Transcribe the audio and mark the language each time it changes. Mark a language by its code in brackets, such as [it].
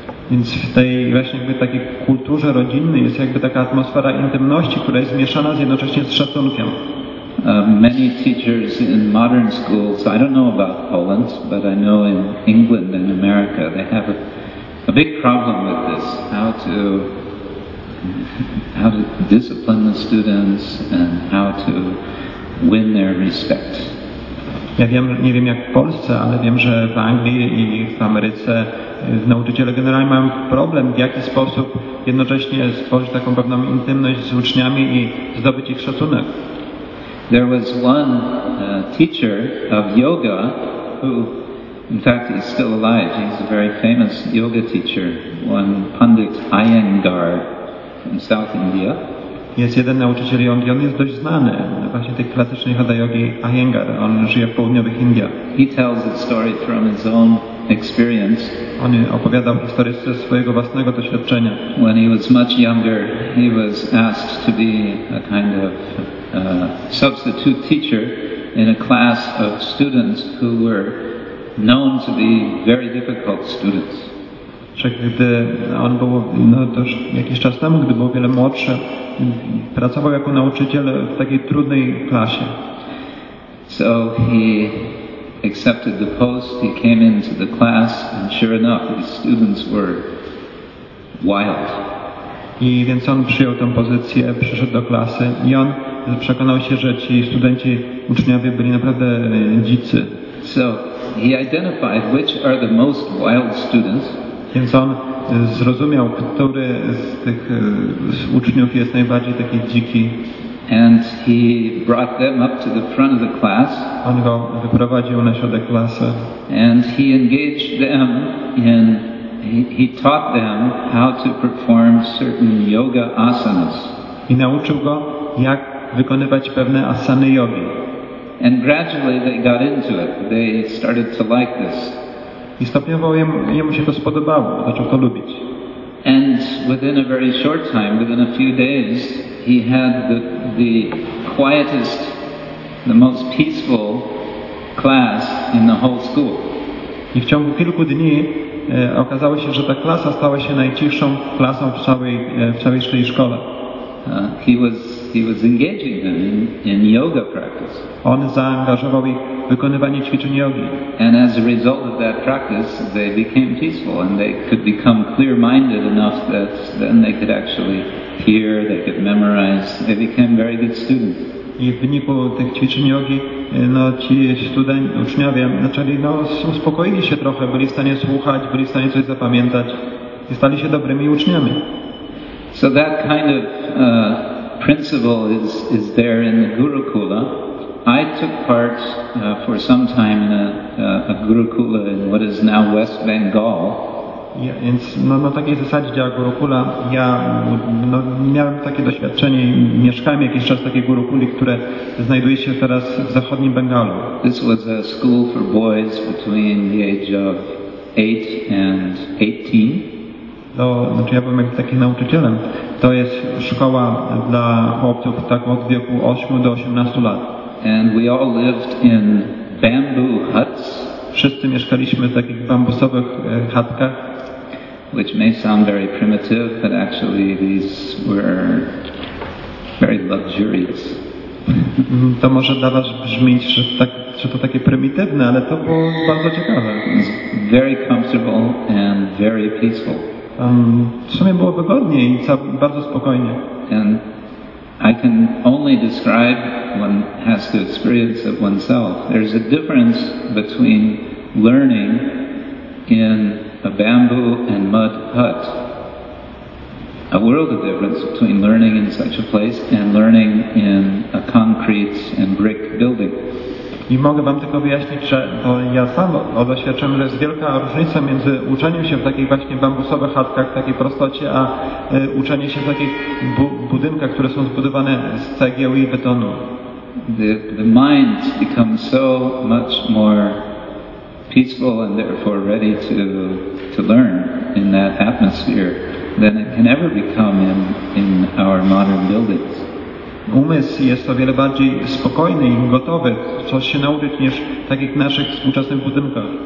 [pl] Więc w tej właśnie jakby takiej kulturze rodzinnej jest jakby taka atmosfera intymności, która jest zmieszana z jednocześnie z szacunkiem. [en] Many teachers in modern schools, I don't know about Poland, but I know in England and America, they have a big problem with this, how to discipline the students and how to win their respect. [pl] Ja wiem, nie wiem jak w Polsce, ale wiem, że w Anglii i w Ameryce nauczyciele generalnie mają problem, w jaki sposób jednocześnie stworzyć taką pewną intymność z uczniami i zdobyć ich szacunek. [en] There was one teacher of yoga who, in fact, is still alive. He's a very famous yoga teacher, one Pandit Iyengar from South India. [pl] Jest jeden nauczyciel jogi, on jest dość znany, właśnie tej klasycznej hatha jogi Iyengar. On żyje w południowych Indiach. [en] He tells a story from his own experience. [pl] On opowiadał historię ze swojego własnego doświadczenia. [en] When he was much younger, he was asked to be a kind of substitute teacher in a class of students who were known to be very difficult students. [pl] Gdy on był też jakiś czas temu, gdy był wiele młodszy, pracował jako nauczyciel w takiej trudnej klasie. [en] So he accepted the post, he came into the class, and sure enough, his students were wild. [pl] I więc on przyjął tę pozycję, przyszedł do klasy i on przekonał się, że ci studenci, uczniowie byli naprawdę dzicy. [en] So he identified which are the most wild students. [pl] Więc on zrozumiał, który z tych uczniów jest najbardziej taki dziki. [en] And he brought them up to the front of the class. [pl] On go wyprowadził na środek klasy. [en] And he engaged them in, he taught them how to perform certain yoga asanas. [pl] I nauczył go, jak wykonywać pewne asany jogi. [en] And gradually they got into it. They started to like this. [pl] I stopniowo jemu się to spodobało, zaczął to lubić. [en] And within a very short time, within a few days, he had the quietest, the most peaceful class in the whole school. [pl] I w ciągu kilku dni okazało się, że ta klasa stała się najciszą klasą w całej szkole. [en] he was engaging them in yoga practice. [pl] On zaangażował ich w wykonywanie ćwiczeń jogi. [en] And as a result of that practice, they became peaceful and they could become clear-minded enough that then they could actually hear, they could memorize. They became very good students. [pl] I w wyniku tych ćwiczeń jogi, no ci uczniowie zaczęli, no uspokoili się trochę, byli w stanie słuchać, byli w stanie coś zapamiętać i stali się dobrymi uczniami. [en] So that kind of principle is there in the Gurukula. I took part for some time in a Gurukula in what is now West Bengal. [pl] Ja, więc no, na takiej zasadzie działa Gurukula. Ja no, miałem takie doświadczenie, mieszkałem jakiś czas w takiej Gurukuli, które znajduje się teraz w zachodnim Bengalu. [en] This was a school for boys between the age of 8 and 18. [pl] To, znaczy ja byłem jakby takim nauczycielem. To jest szkoła dla chłopców tak od wieku 8 do 18 lat. [en] And we all lived in bamboo huts. [pl] Wszyscy mieszkaliśmy w takich bambusowych chatkach. [en] Which may sound very primitive, but actually these were very luxurious. [pl] To może dla was brzmieć, że, tak, że to takie prymitywne, ale to było bardzo ciekawe. [en] It's very comfortable and very peaceful. [pl] W sumie było wygodnie i bardzo spokojnie. [en] And I can only describe, one has to experience it oneself. There's a difference between learning in a bamboo and mud hut. A world of difference between learning in such a place and learning in a concrete and brick building. [pl] I mogę wam tylko wyjaśnić, że to ja sam doświadczam, że jest wielka różnica między uczeniem się w takich właśnie bambusowych chatkach, w takiej prostocie, a uczeniem się w takich budynkach, które są zbudowane z cegieł i betonu. [en] The mind becomes so much more peaceful and therefore ready to learn in that atmosphere than it can ever become in our modern buildings. [pl] Umysł jest o wiele bardziej spokojny i gotowy coś się nauczyć niż w takich naszych współczesnych budynkach.